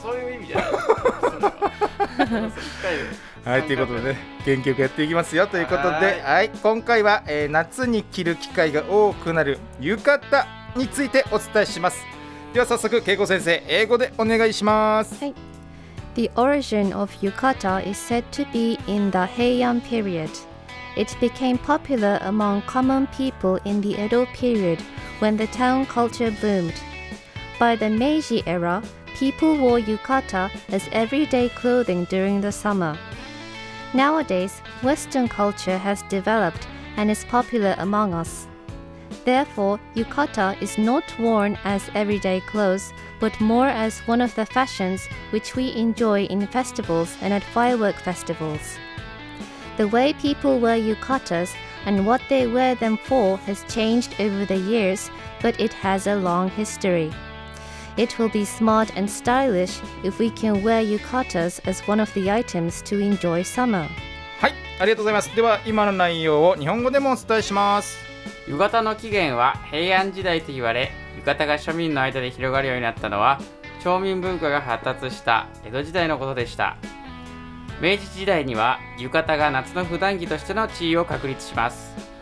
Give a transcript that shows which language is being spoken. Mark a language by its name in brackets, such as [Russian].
[Japanese] そういう意味じゃない。はい、ということでね、元気よくやっていきますよ。ということで、はい、今回は、夏に着る機会が多くなる浴衣についてお伝えします。では早速、恵子先生、英語でお願いします。はい。 [English] The origin of yukata is said to be in the Heian period. It became popular among common people in the Edo period when the town culture boomed. By the Meiji era, people wore yukata as everyday clothing during the summer. Nowadays, Western culture has developed and is popular among us. Therefore, yukata is not worn as everyday clothes, but more as one of the fashions which we enjoy in festivals and at firework festivals. The way people wear yukatas and what they wear them for has changed over the years, but it has a long history. It will be smart and stylish if we can wear yukatas as one of the items to enjoy summer. [Japanese] はい、ありがとうございます。では今の内容を日本語でもお伝えします。浴衣の起源は平安時代と言われ、浴衣が庶民の間で広がるようになったのは、町民文化が発達した江戸時代のことでした。明治時代には浴衣が夏の普段着としての地位を確立します。